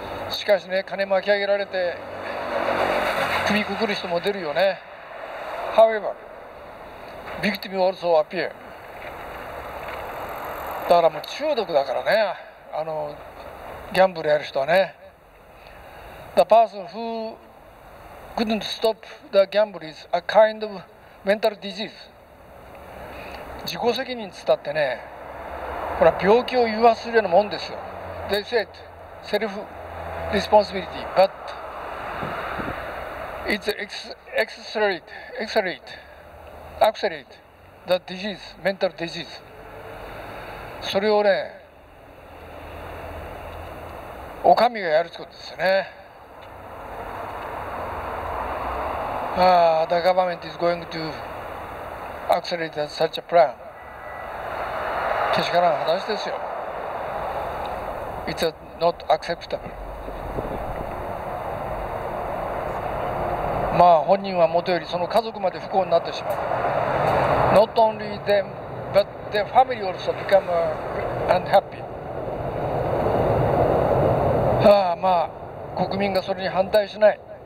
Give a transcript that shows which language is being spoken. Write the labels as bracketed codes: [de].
[ja] しかしね、金巻き上げられて首くくる人も出るよね。 [en] However victim also appear。 [ja] だからもう中毒だからね、あのギャンブルやる人はね。 [en] The person who couldn't stop the gambling is a kind of mental disease。 [ja] 自己責任つったってね、ほら病気を誘発するようなもんですよ。 [en] They said self responsibility but it's accelerate the disease, mental disease。 [ja] それをね、お上がやるってことですよね。 [en] The government is going to accelerate such a plan。 [ja] けしからん話ですよ。 [en] It's not acceptable。 [ja] まあ本人はもとよりその家族まで不幸になってしまう。 [en] Not only themBut the family also become unhappy。 [ja] ああ、まあ、国民がそれに反対しない。